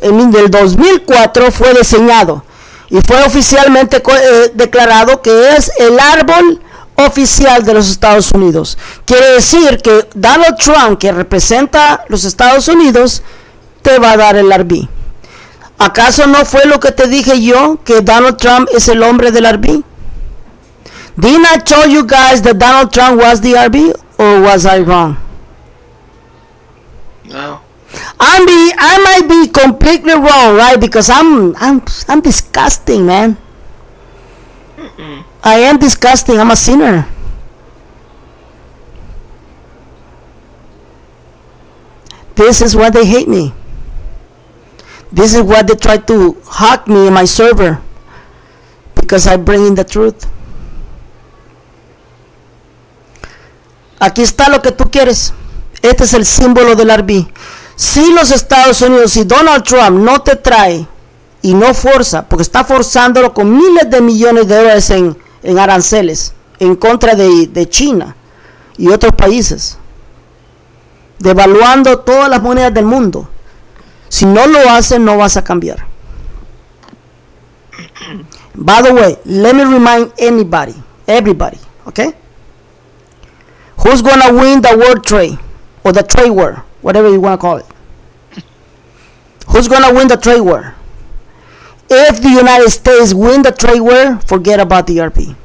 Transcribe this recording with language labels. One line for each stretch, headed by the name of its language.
Spanish: En el 2004 fue diseñado y fue oficialmente declarado que es el árbol oficial de los Estados Unidos. Quiere decir que Donald Trump, que representa los Estados Unidos, te va a dar el RB. ¿Acaso no fue lo que te dije yo, que Donald Trump es el hombre del RB?
English: Did I tell you guys that Donald Trump was the RB, or was I wrong? No. I might be completely wrong, right? Because I'm disgusting, man. I am disgusting. I'm a sinner. This is why they hate me. This is why they try to hack me in my server. Because I bring in the truth.
Spanish: Aquí está lo que tú quieres. Este es el símbolo del RB. Si los Estados Unidos y Donald Trump no te trae y no forza, porque está forzándolo con miles de millones de dólares en aranceles, en contra de China y otros países, devaluando todas las monedas del mundo. Si no lo hacen, no vas a cambiar.
English: By the way, let me remind anybody, everybody, okay? Who's going to win the world trade, or the trade war, whatever you want to call it? Who's going to win the trade war? If the United States win the trade war, forget about the RP.